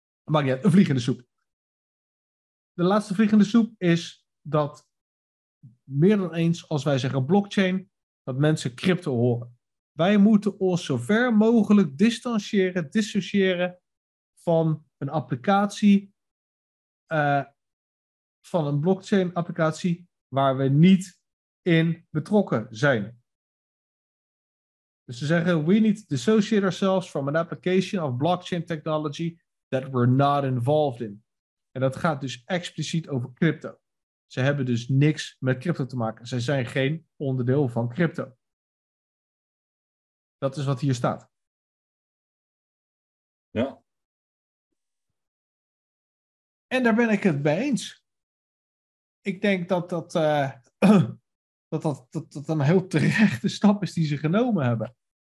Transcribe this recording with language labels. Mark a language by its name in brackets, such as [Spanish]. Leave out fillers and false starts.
[Dutch] Maakt niet uit, een vlieg in de soep. De laatste vlieg in de soep is dat meer dan eens, als wij zeggen blockchain, dat mensen crypto horen. Wij moeten ons zo ver mogelijk dissociëren van een applicatie, van een blockchain applicatie waar we niet in betrokken zijn. Dus ze zeggen, [English] we need to dissociate ourselves from an application of blockchain technology that we're not involved in. [Dutch] En dat gaat dus expliciet over crypto. Ze hebben dus niks met crypto te maken. Zij zijn geen onderdeel van crypto. Dat is wat hier staat. Ja. En daar ben ik het mee eens. Ik denk dat een heel terechte stap is die ze genomen hebben.